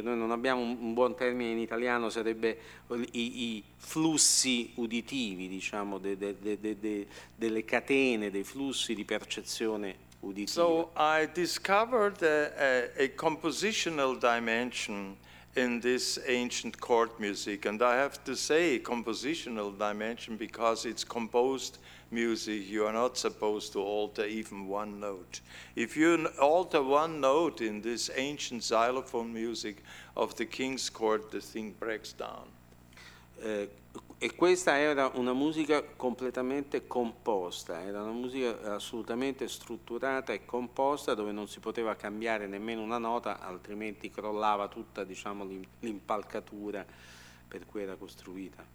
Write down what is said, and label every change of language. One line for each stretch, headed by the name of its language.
Italian: Noi non abbiamo un buon termine in italiano, sarebbe i flussi uditivi, diciamo, delle catene, dei flussi di percezione uditiva.
English: So I discovered a compositional dimension in this ancient court music, and I have to say compositional dimension because it's composed music, you are not supposed to alter even one note. If you alter one note in this ancient xylophone music of the king's court, the thing breaks down.
Italian: E questa era una musica completamente composta, era una musica assolutamente strutturata e composta, dove non si poteva cambiare nemmeno una nota, altrimenti crollava tutta, diciamo, l'impalcatura per cui era costruita.